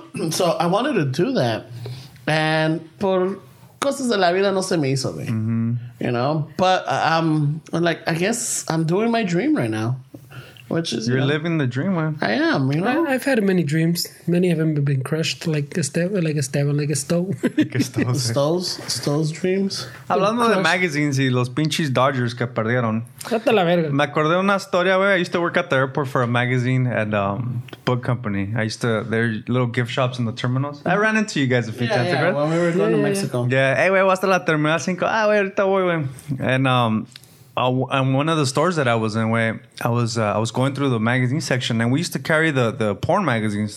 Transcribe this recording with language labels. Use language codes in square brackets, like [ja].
[en] So I wanted to do that. And [es] por cosas de la vida no se me hizo, güey. [en] Mm-hmm. You know, but I'm like, I guess I'm doing my dream right now. Which is you're living the dream, man. I am, you know. I've had many dreams. Many of them have been crushed, like a stove. Stoles dreams. [es] Hablando de magazines y los pinches Dodgers que perdieron. Cata la verga. Me acordé una historia, güey. [en] I used to work at the airport for a magazine and book company. I used to their little gift shops in the terminals. I ran into you guys a few times, right? When we were going to Mexico. [es] Yeah. Hey, güey, hasta la terminal 5. Ah, güey, ahorita voy, güey. [en] And one of the stores that I was in, wey, I was going through the magazine section, and we used to carry the porn magazines.